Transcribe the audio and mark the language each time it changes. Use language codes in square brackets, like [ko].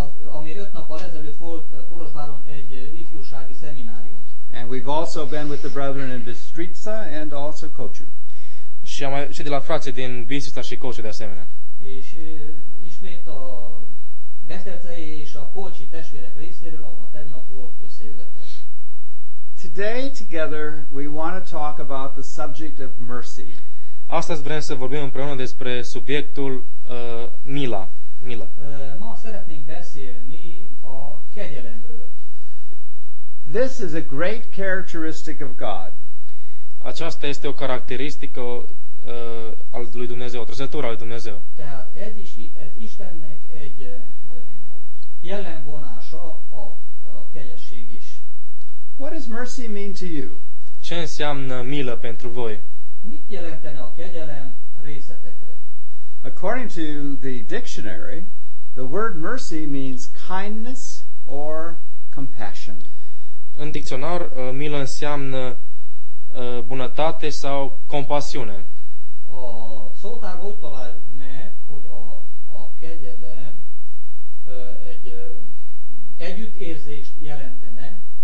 [hu] Ami 5 nappal ezelőtt volt Kolozsváron egy ifjúsági szeminárium. [en] And we've also been with the brethren in Bystrica and also Kocsi. [ro] Și de la frații din Bystrica și Kocsi de asemenea. [hu] És ismét a Bystricai és a Kocsi testvérek részéről, ahol a tegnap volt összejövetel. [en] Today together we want to talk about the subject of mercy. [ro] Astăzi vrem să vorbim împreună despre subiectul mila. Mila. [hu] Ma szeretnénk beszélni a kegyelemről. [en] This is a great characteristic of God. [ro] Aceasta este o caracteristică al lui Dumnezeu, o trăsătură al lui Dumnezeu. [hu] Tehát ez Istennek egy jellemvonása a kegyesség is. [en] What does mercy mean to you? [ro] Ce înseamnă milă pentru voi? [hu] Mit jelentene a kegyelem részletekre? [en] According to the dictionary, the word mercy means kindness or compassion. [ro] În dicționar, milă înseamnă bunătate sau compasiune. [hu] A szótár úgy találjuk meg, hogy a kegyelem egy együttérzést jelentene.